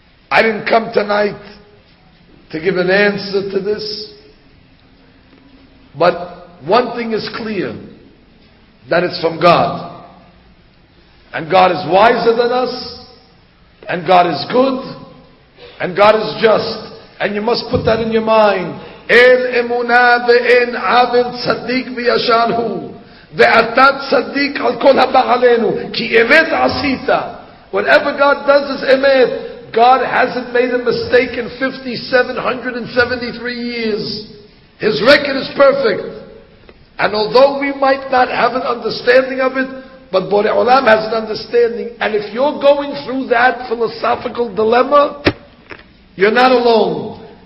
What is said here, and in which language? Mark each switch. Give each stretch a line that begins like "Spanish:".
English: I didn't come tonight to give an answer to this, but one thing is clear, that it's from God. And God is wiser than us, and God is good, and God is just. And you must put that in your mind.
Hebrew: El emunah ve'en avil tzaddik v'yashan hu. ואתה צדיק על כל הבא עלינו, כי אמת עשית.
English: Whatever God does is אמת. God hasn't made a mistake in 5,773 years. His record is perfect. And although we might not have an understanding of it, but Borei Olam has an understanding. And if you're going through that philosophical dilemma, you're not alone.